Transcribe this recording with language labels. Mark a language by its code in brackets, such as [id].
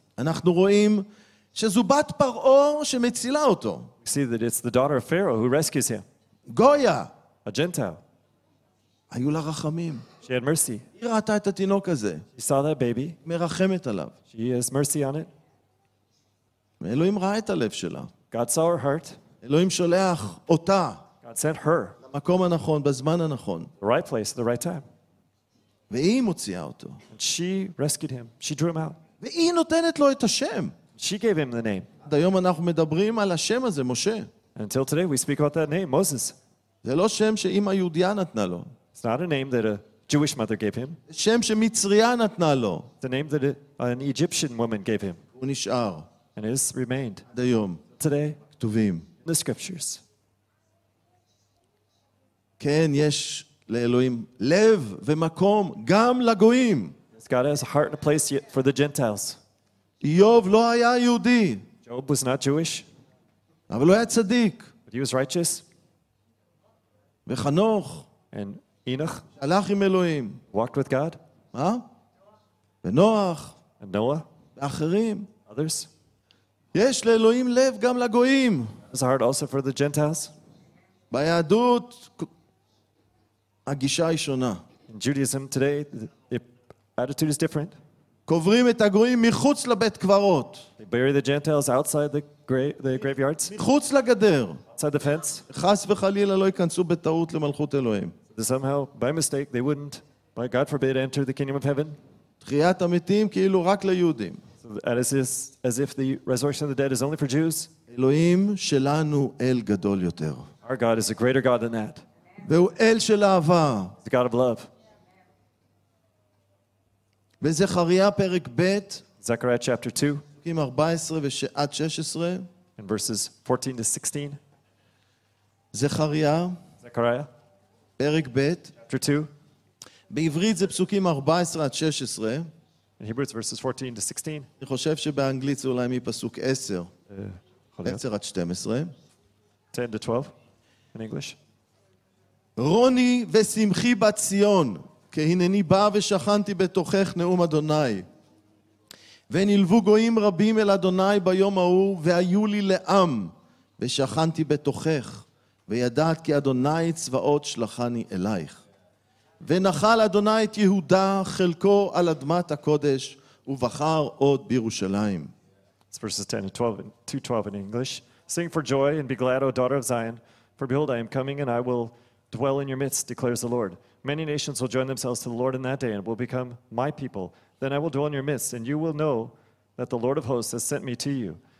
[he] אנחנו רואים שזובת פרעה שמצילה אותו. [en] We see that it's the daughter of Pharaoh who rescues him. [he] גויה, [en] a Gentile. [he] היו לה רחמים. [en] She had mercy. [he] היא ראתה את התינוק הזה. [en] She saw that baby. [he] מרחמת עליו. [en] She has mercy on it. [he] אלוהים ראה את הלב שלה. [en] God saw her heart. [he] אלוהים שולח אותה. [en] God sent her. [he] מקום הנכון, בזמן הנכון. [en] The right place, the right time. [he] והיא מוציאה אותו. [en] And she rescued him. She drew him out. [he] והיא נותנת לו את השם. [en] She gave him the name. [he] עד היום אנחנו מדברים על השם הזה, משה. [en] Until today we speak about that name, Moses. [he] זה לא שם שאמא יהודיה נתנה לו. [en] It's not a name that a Jewish mother gave him. [he] שם שמצריה נתנה לו. [en] The name that an Egyptian woman gave him. [he] הוא נשאר. [en] And it's remained. [he] עד היום. [en] Today. [he] כתובים. [en] The scriptures. [he] כן, יש לאלוהים לב ומקום גם לגויים. [en] Yes, God has a heart and a place for the Gentiles. [he] איוב לא היה יהודי. [en] Job was not Jewish. [he] אבל הוא היה צדיק. [en] But he was righteous. [he] וחנוך. [en] And Enoch. [he] הלך עם אלוהים. [en] Walked with God. [he] מה? ונוח. [en] And Noah. [he] ואחרים. [en] Others. [he] יש לאלוהים לב גם לגויים. [en] His heart also for the Gentiles. [he] ביהדות, הגישה היא שונה. [en] In Judaism today, the attitude is different. [he] קוברים את הגויים מחוץ לבית קברות. [en] They bury the Gentiles outside the graveyards. [he] מחוץ לגדר. [en] Outside the fence. [he] חס וחלילה לא ייכנסו בטעות למלכות אלוהים. [en] Somehow, by mistake, they wouldn't, by God forbid, enter the kingdom of heaven. [he] תחיית המתים כאילו רק ליהודים. [en] As if the resurrection of the dead is only for Jews. [he] אלוהים שלנו אל גדול יותר. [en] Our God is a greater God than that. [he] והוא אל של אהבה. [en] The God of love. [he] וזכריה פרק ב', [en] Zechariah chapter 2, [he] 14 עד 16, [en] in verses 14 to 16. [he] זכריה, פרק ב', [en] chapter 2. [he] בעברית זה פסוקים 14 עד 16. [en] In Hebrew it's verses 14 to 16. [he] אני חושב שבאנגלית זה אולי מפסוק 10, 10 עד 12. [en] 10 to 12, in English. [he] רוני ושמחי בציון, כי הנני בא ושכנתי בתוכך נאום אדוני. ונלוו גויים רבים אל אדוני ביום ההוא, והיו לי לעם, ושכנתי בתוכך, וידעת כי אדוני צבאות שלחני אלייך. ונחל אדוני את יהודה חלקו על אדמת הקודש, ובחר עוד בירושלים. [en] It's verses 10 and 12, 2:12 in English. Sing for joy and be glad, O daughter of Zion, for behold, I am coming and I will dwell in your midst, declares the Lord. Many nations will join themselves to the Lord in that day and will become my people. Then I will dwell in your midst, and you will know that the Lord of hosts has sent me to you.